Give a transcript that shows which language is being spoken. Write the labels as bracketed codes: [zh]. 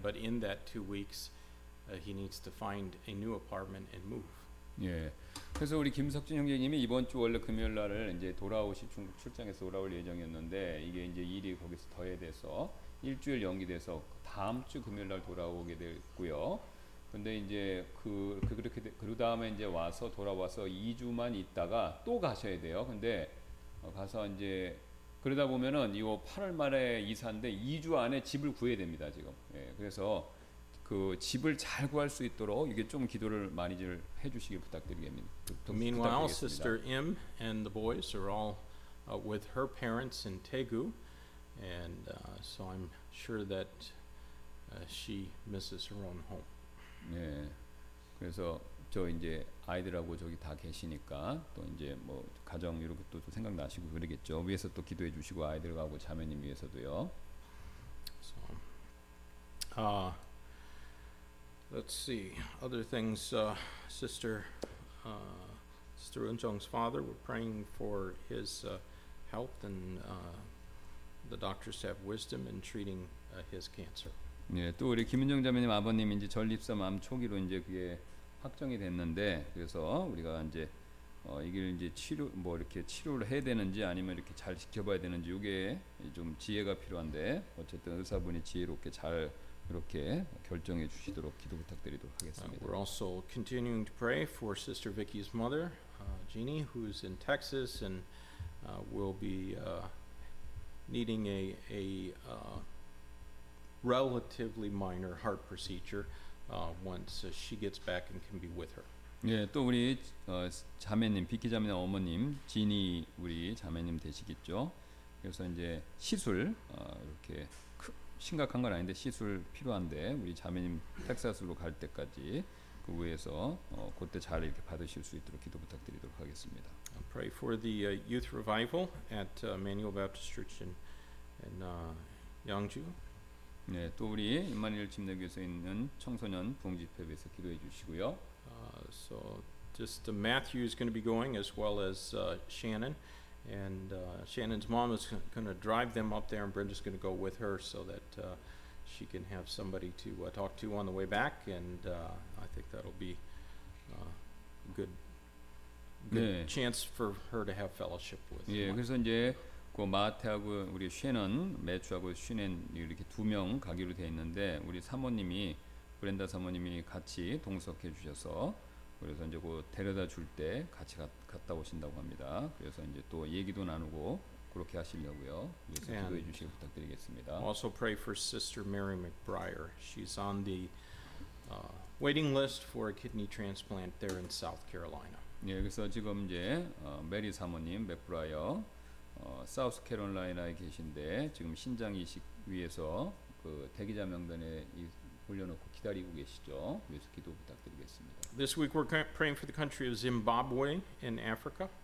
[en] But in that 2 weeks, he needs to find a new apartment and move. [ko] 예. 그래서 우리 김석진 형제님이 이번 주 원래 금요일 날을 이제 돌아오시 중국 출장에서 돌아올 예정이었는데 이게 이제 일이 거기서 더해돼서. 일주일 연기돼서 다음 주 금요일 날 돌아오게 됐고요. 근데 이제 그렇게 그 다음에 이제 와서 돌아와서 2주만 있다가 또 가셔야 돼요. 근데 가서 이제 그러다 보면은 이거 8월 말에 이사인데 2주 안에 집을 구해야 됩니다, 지금. 예. 그래서 그 집을 잘 구할 수 있도록 이게 좀 기도를 많이 좀 해 주시기 부탁드리겠습니다. [en] Meanwhile, Sister Im and the boys are all with her parents in Daegu. And so I'm sure that she misses her own home. [ko] 네, 그래서 저 이제 아이들하고 저기 다 계시니까 또 이제 뭐 가정 이런 것도 또 생각나시고 그러겠죠. 위에서 또 기도해 주시고 아이들하고 자매님 위해서도요. [en] So, Let's see, other things, Sister Sister Eunjong's father, we're praying for his health and the doctors to have wisdom in treating his cancer. [ko] 예, 또 우리 김은정 자매님 아버님 이제 전립선 암 초기로 이제 그게 확정이 됐는데 그래서 우리가 이제 이게 이제 치료 뭐 이렇게 치료를 해야 되는지 아니면 이렇게 잘 지켜봐야 되는지 이게 좀 지혜가 필요한데 어쨌든 의사분이 지혜롭게 잘 이렇게 결정해 주시도록 기도 부탁드리도록 하겠습니다. [en] We're also continuing to pray for Sister Vicky's mother, Jeannie, who's in Texas and will be needing a relatively minor heart procedure once she gets back and can be with her. [ko] 예, 또 우리 자매님, 비키 자매 어머님, 지니 우리 자매님 되시겠죠? 그래서 이제 시술 이렇게 심각한 건 아닌데 시술 필요한데 우리 자매님 텍사스로 갈 때까지 그 후에서 그때 잘 이렇게 받으실 수 있도록 기도 부탁드리도록 하겠습니다. [en] Pray for the youth revival at Emmanuel Baptist Church in Yangju. [ko] 네, 또 우리 임마니엘 침례교회에서 있는 청소년 부흥집회에서 기도해 주시고요. [en] So just Matthew is going to be going as well as Shannon, and Shannon's mom is going to drive them up there, and Brenda's going to go with her so that she can have somebody to talk to on the way back, and I think that'll be good [ko] 네. [en] chance for her to have fellowship with. [ko] 예, 그래서 이제 그 마태하고 우리 쉐넌, 매추하고 쉐넨 이렇게 두 명 가기로 돼 있는데 우리 사모님이 브렌다 사모님이 같이 동석해 주셔서 그래서 이제 그 데려다 줄 때 같이 갔다 오신다고 합니다. 그래서 이제 또 얘기도 나누고 그렇게 하시려고요. 그래서 [en] And [ko] 기도해 주시기 부탁드리겠습니다. [en] Also pray for Sister Mary McBriar. She's on the waiting list for a kidney transplant there in South Carolina. [ko] 예, 그래서 지금 이제 메리 사모님 맥브라이어 사우스 캐롤라이나에 계신데 지금 신장 이식 위해서 그 대기자 명단에 올려놓고 기다리고 계시죠. 그래서 기도 부탁드리겠습니다. [en] This week we're praying for the country of Zimbabwe in Africa.